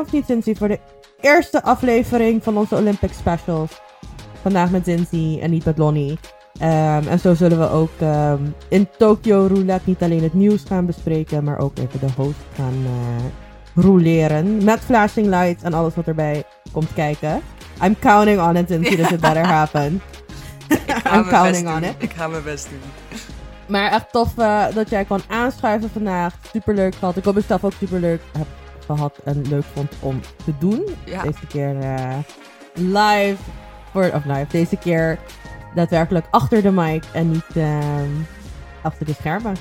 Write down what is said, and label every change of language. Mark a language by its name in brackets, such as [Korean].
[Dutch] Of niet, Cindy, voor de eerste aflevering van onze Olympic Specials. Vandaag met Cindy en niet met Lonnie. En zo zullen we ook in Tokyo Roulette niet alleen het nieuws gaan bespreken, maar ook even de host gaan rouleren. Met flashing lights en alles wat erbij komt kijken. [English] I'm counting on it, Cindy, does it better happen. [Dutch] Ik ga mijn best doen. Maar echt tof dat jij kon aanschuiven vandaag. Superleuk gehad. Ik hoop dat ik zelf ook superleuk heb gehad en leuk vond om te doen. Ja. Deze keer live. Deze keer daadwerkelijk achter de mic en niet achter de schermen.